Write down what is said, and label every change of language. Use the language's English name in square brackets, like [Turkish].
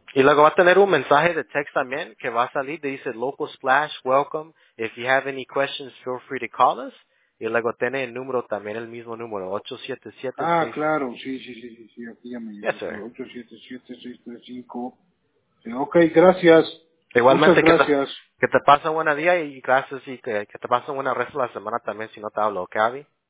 [Spanish] Y luego va a tener un mensaje de text también que va a salir, dice Local Splash, welcome. [English] If you have any questions, feel free to call us. [Spanish] Y luego tiene el número también, el mismo número, 877. Ah, claro, sí, aquí ya me llamo. 877-635. Ok, gracias. Igualmente, muchas gracias. Que te pase un buen día y gracias y que te pase un buen resto de la semana también si no te hablo, ¿ok, Avi?